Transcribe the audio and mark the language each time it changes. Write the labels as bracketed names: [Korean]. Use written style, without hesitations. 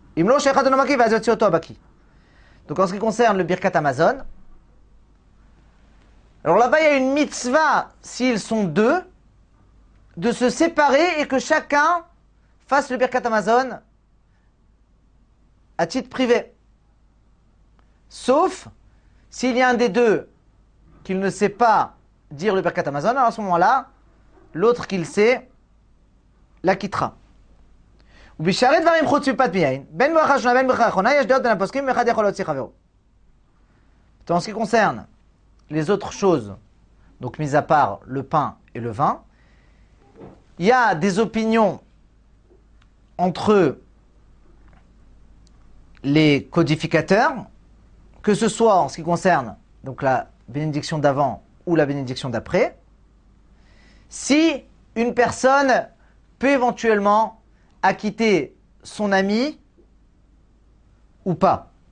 [Hebrew] Imlo shechad onomaki ve'az yotzi oto abaki. [French] Donc en ce qui concerne le birkat amazon, alors là-bas il y a une mitzvah, s'ils sont deux, de se séparer et que chacun fasse le birkat amazon à titre privé. Sauf s'il y a un des deux qu'il ne sait pas dire le birkat amazon, alors à ce moment-là, l'autre qu'il sait l'acquittera. [Hebrew] ובשארית דברים חוץ מפת מיין, בין ברכה ראשונה ובין ברכה אחרונה, יש דעות בין הפוסקים, ואחד יכול להוציא חברו. [French] Donc, en ce qui concerne les autres choses, donc mis à part le pain et le vin, il y a des opinions entre les codificateurs, que ce soit en ce qui concerne donc la bénédiction d'avant ou la bénédiction d'après, si une personne peut éventuellement acquitter son ami ou pas.